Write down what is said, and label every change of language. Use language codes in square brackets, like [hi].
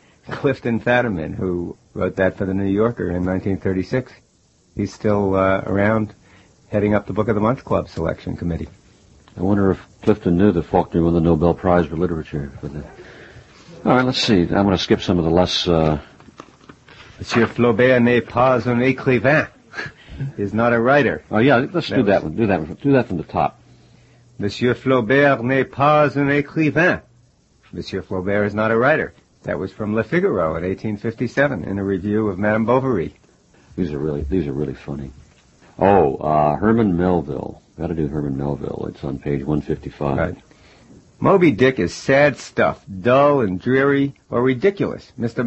[en] Clifton Fadiman, who wrote that for the New Yorker in 1936. He's still around, heading up the Book of the Month Club selection committee. I wonder if Clifton knew that Faulkner won the Nobel Prize for Literature. For the... All right, let's see. I'm going to skip some of the less... [fr] Monsieur Flaubert n'est pas un écrivain. [en] Is not a writer. Oh, yeah, let's do that one. Do that one. Do that from the top. [fr] Monsieur Flaubert n'est pas un écrivain. [en] Monsieur Flaubert is not a writer. That was from Le Figaro in 1857 in a review of Madame Bovary. These are really funny. Oh, Herman Melville. Got to do Herman Melville. It's on page 155. Right. Moby Dick is sad stuff, dull and dreary, or ridiculous. Mr.